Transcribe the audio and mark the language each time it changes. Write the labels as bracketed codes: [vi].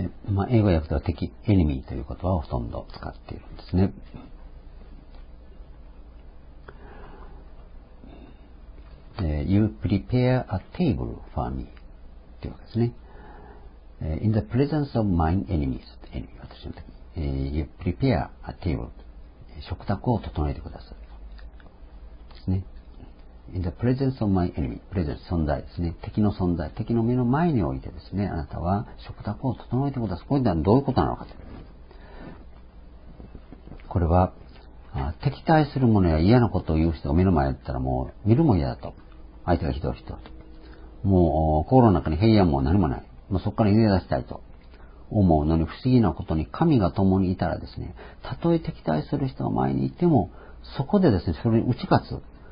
[ja] まあ、英語訳では敵、エニミーという言葉をほとんど使っているんですね。 [en] You prepare a table for me [ja] というわけですね。 [en] In the presence of my enemies, [ja] 私の敵。 [en] You prepare a table, [ja] 食卓を整えてください。ですね。 [en] In the presence of my enemy, presence, [ja] 存在ですね。敵の存在、敵の目の前においてですね、あなたは食卓を整えてください。これはどういうことなのかという。これは、敵対するものや嫌なことを言う人を目の前だったらもう見るも嫌だと。相手がひどい人だと。もう心の中に平安も何もない。もうそこから逃げ出したいと思うのに、不思議なことに神が共にいたらですね、たとえ敵対する人が前にいても、そこでですね、それに打ち勝つ。